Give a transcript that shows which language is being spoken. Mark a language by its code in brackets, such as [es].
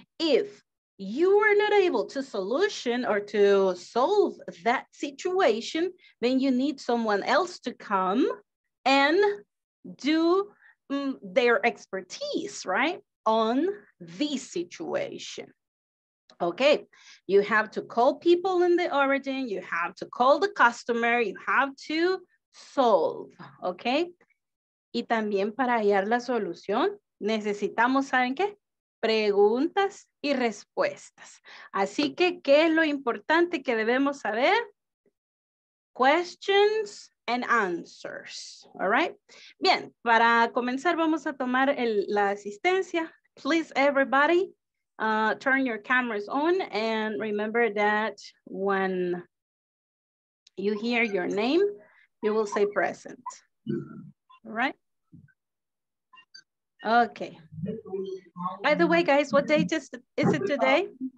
[en] If you are not able to solution or to solve that situation, then you need someone else to come and do their expertise, right? On the situation. Okay, you have to call people in the origin, you have to call the customer, you have to solve, okay? [es] Y también para hallar la solución, necesitamos, ¿saben qué? Preguntas y respuestas. Así que, ¿qué es lo importante que debemos saber? [en] Questions and answers, all right? [es] Bien, para comenzar vamos a tomar la asistencia. [en] Please, everybody, turn your cameras on and remember that when you hear your name, you will say present, all right? Okay. By the way, guys, what date is it today?